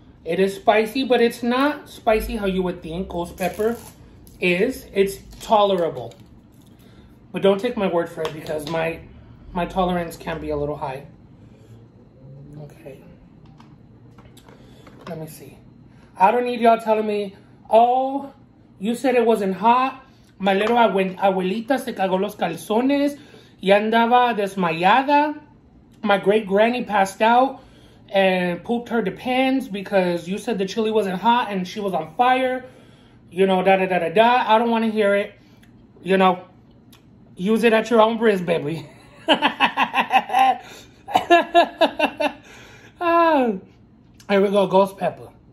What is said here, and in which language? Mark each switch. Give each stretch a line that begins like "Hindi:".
English: It is spicy, but it's not spicy how you would think ghost pepper is. It's tolerable. But don't take my word for it because my tolerance can be a little high. Okay. Let me see. I don't need y'all telling me, oh, You said it wasn't hot. My little
Spanish: abuelita se cagó los calzones y andaba desmayada.
English: My great granny passed out and pooped her depends because you said the chili wasn't hot and she was on fire. You know, da da da da da. I don't want to hear it. You know, use it at your own risk, baby. Here we go, ghost pepper.